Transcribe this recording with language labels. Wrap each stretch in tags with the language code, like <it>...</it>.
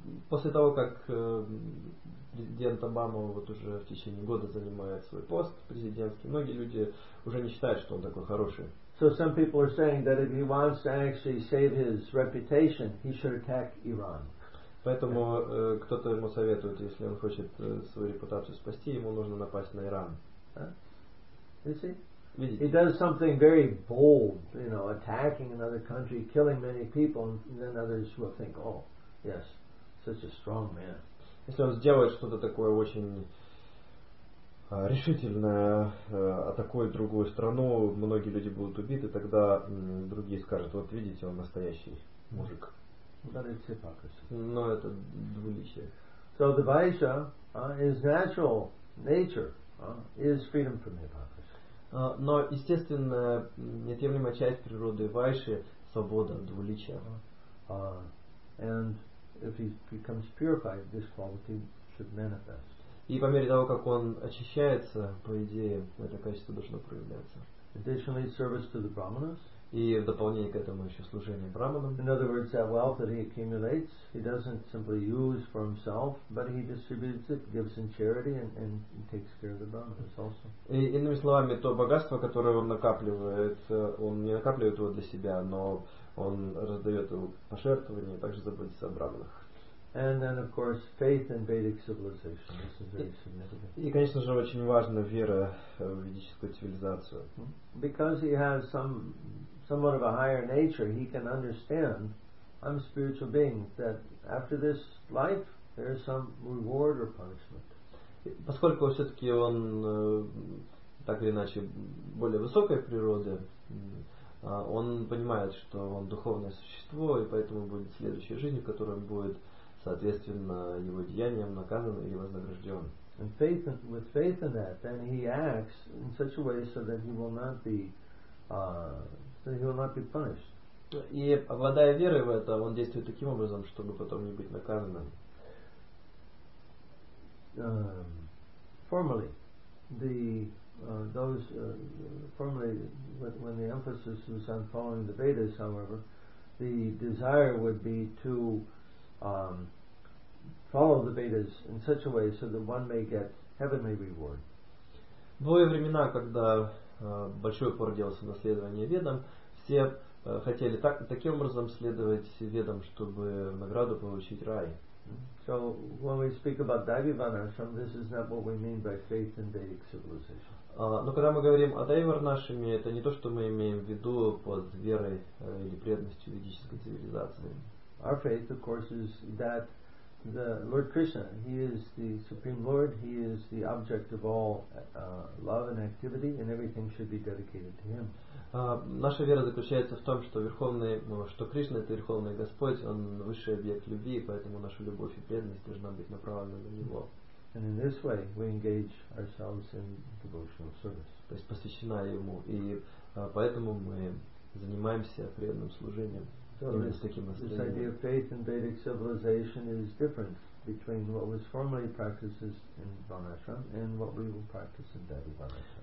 <ru>После того, как президент Обама вот уже в течение года занимает свой пост президентский, многие люди уже не считают, что он такой хороший.</ru> <en>So some people are saying that if he wants to actually save his reputation, he should attack Iran.</en> <ru>Поэтому кто-то ему советует, если он хочет свою репутацию спасти, ему нужно напасть на Иран. Видите?</ru> <en>He does something very bold, you know, attacking another country, killing many people, and then others will think, oh, yes, such a strong man.</en> <ru>Если он сделает что-то такое очень решительное, атакует другую страну, многие люди будут убиты, тогда другие скажут, вот видите, он настоящий мужик.</ru> <en>But it's hypocrisy.</en> <ru>No, это двуличие.</ru> <en>So the vaisha is natural nature is freedom from hypocrisy.</en> <ru>Но естественно неотъемлемая часть природы вайши свобода от двуличия.</ru> <en>And if he becomes purified, this quality should manifest.</en> <ru>И по мере того, как он очищается, по идее, это качество должно проявляться.</ru> <en>Additionally, service to the brahmanas.</en> <ru>И в дополнение к этому еще служение браманам.</ru> <en>In other words, that wealth that he accumulates, he doesn't simply use for himself, but he distributes it, gives in charity, and takes care of the brahmanas also.</en> <ru>И иными словами, то богатство, которое он накапливает, он не накапливает его для себя, но он раздает его пожертвование, также заботится о браманах.</ru> <en>And then, of course, faith in Vedic civilization. This is very significant.</en> <ru>И, конечно же, очень важна вера в ведическую цивилизацию.</ru> <en>Because he has somewhat of a higher nature, he can understand, I'm a spiritual being, that after this life, there is some reward or punishment.</en> <ru>Поскольку все-таки он так или иначе более высокой природы, он понимает, что он духовное существо, и поэтому будет следующая жизнь, в которой будет соответственно его деянием наказан или вознагражден.</ru> <en>And faith in, with faith in that, then he acts in such a way so that he will not be punished.</en> <ru>И обладая верой в это, он действует таким образом, чтобы потом не быть наказанным.</ru> <en>Formally, when the emphasis is on following the Vedas, however, the desire would be to follow the Vedas in such a way so that one may get heavenly reward.</en> <ru>В те времена, когда большой упор делался на следование Ведам, все хотели таким образом следовать Ведам, чтобы награду получить рай.</ru> <en>So when we speak about Daivivanasram, this is not what we mean by faith in Vedic civilization.</en> <ru>Но когда мы говорим о Дайварнашаме, это не то, что мы имеем в виду под верой или преданностью ведической цивилизации.</ru> <en>Our faith, of course, is that the Lord Krishna, he is the Supreme Lord, he is the object of all love and activity, and everything should be dedicated to him.</en> <ru>Наша вера заключается в том, что что Кришна — это Верховный Господь, Он — высший объект любви, поэтому наша любовь и преданность должна быть направлена на Него.</ru> <en>And in this way, we engage ourselves in devotional service.</en> <ru>То есть посвящена Ему, и поэтому мы занимаемся преданным служением.</ru> <en>So this idea of faith in Vedic civilization is different between what was formerly practiced in Vanashram and what we will practice in Devi Vanashram.</en>